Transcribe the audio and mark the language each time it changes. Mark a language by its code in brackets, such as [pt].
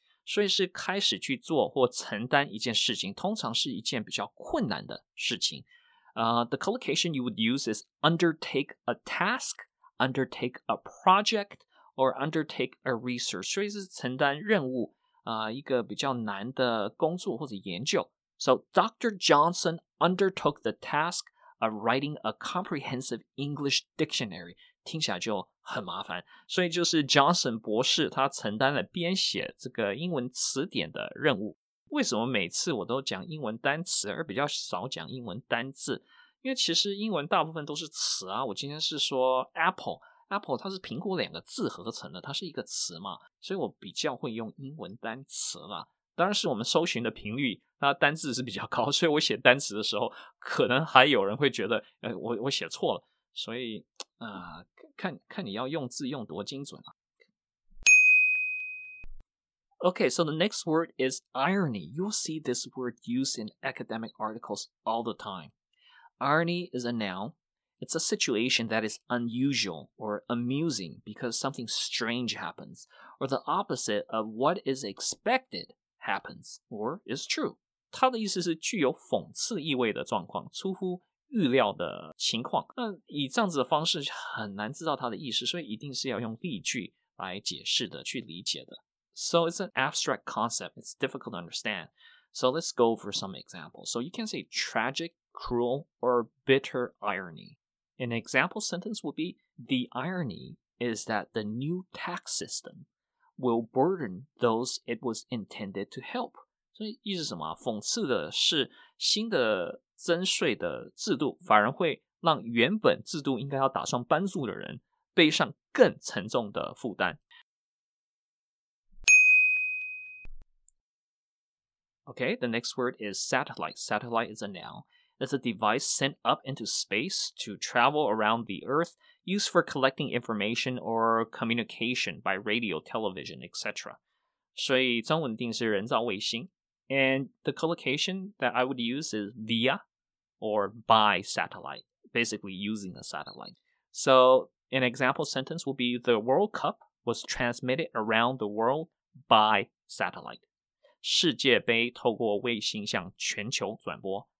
[zh] 所以是开始去做或承担一件事情，通常是一件比较困难的事情。 [en] The collocation you would use is undertake a task, undertake a project, or undertake a research. [zh] 所以是承担任务，一个比较难的工作或者研究。 [en] So Dr. Johnson undertook the task of writing a comprehensive English dictionary. [zh] 听起来就很麻烦。所以就是 Johnson 博士他承担了编写这个英文词典的任务。为什么每次我都讲英文单词而比较少讲英文单字？因为其实英文大部分都是词啊，我今天是说 Apple， Apple 它是苹果两个字合成的，它是一个词嘛，所以我比较会用英文单词啦。当然是我们搜寻的频率那单字是比较高，所以我写单词的时候可能还有人会觉得我写错了，所以看你要用字用多精准啊。 [en] Okay, so the next word is irony. You'll see this word used in academic articles all the time. Irony is a noun. It's a situation that is unusual or amusing because something strange happens, or the opposite of what is expected happens or is true. [zh] 它的意思是具有讽刺意味的状况，出乎预料的情况。那以这样子的方式很难知道它的意思，所以一定是要用例句来解释的，去理解的。 [en] So it's an abstract concept. It's difficult to understand. So let's go for some examples. So you can say tragic, cruel, or bitter irony. An example sentence would be, the irony is that the new tax system will burden those it was intended to help. [zh] 所以意思是什么？讽刺的是新的增税的制度反而会让原本制度应该要打算帮助的人背上更沉重的负担。 [en] Okay, the next word is satellite. Satellite is a noun. It's a device sent up into space to travel around the Earth, used for collecting information or communication by radio, television, etc. [zh] 所以中文定是人造卫星。 [en] And the collocation that I would use is via or by satellite, basically using a satellite. So an example sentence would be, the World Cup was transmitted around the world by satellite. [zh] 世界杯透过卫星向全球转播。